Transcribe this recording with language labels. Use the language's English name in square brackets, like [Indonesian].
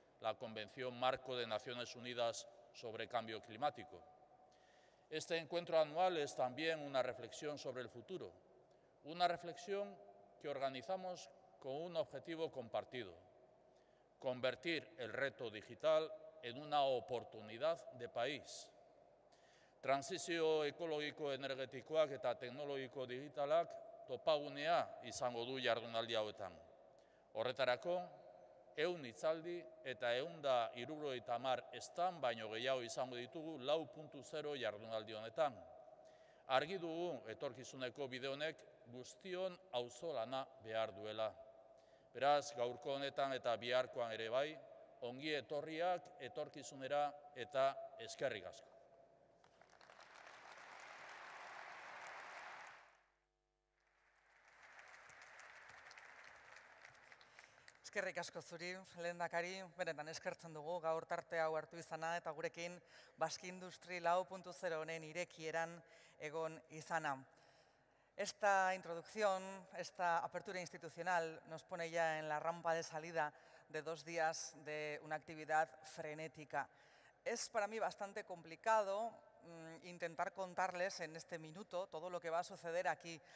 [Spanish] la Convención Marco de Naciones Unidas sobre Cambio Climático. Este encuentro anual es también una reflexión sobre el futuro, una reflexión que organizamos con un objetivo compartido: convertir el reto digital en una oportunidad de país. [Basque] Transizio ekologiko energetikoak eta teknologiko digitalak topagunea izango du jardunaldi hauetan. Horretarako, 100 hitzaldi eta 170 estan baino gehiago izango ditugu 4.0 jardunaldi honetan. Argi dugu etorkizuneko bide honek guztion auzolana behar duela. Beraz, gaurko honetan eta biharkoan ere bai, ongi etorriak etorkizunera eta eskerrik asko. Eskerrik asko zuri, lehendakari, benetan eskertzen dugu gaur tarte hau hartu izana eta gurekin Basque Industry 4.0 honen irekieran egon izana. [Spanish] Esta introducción, esta apertura institucional nos pone ya en la rampa de salida de dos días de una actividad frenética. Es para mí bastante complicado intentar contarles en este minuto todo lo que va a suceder aquí.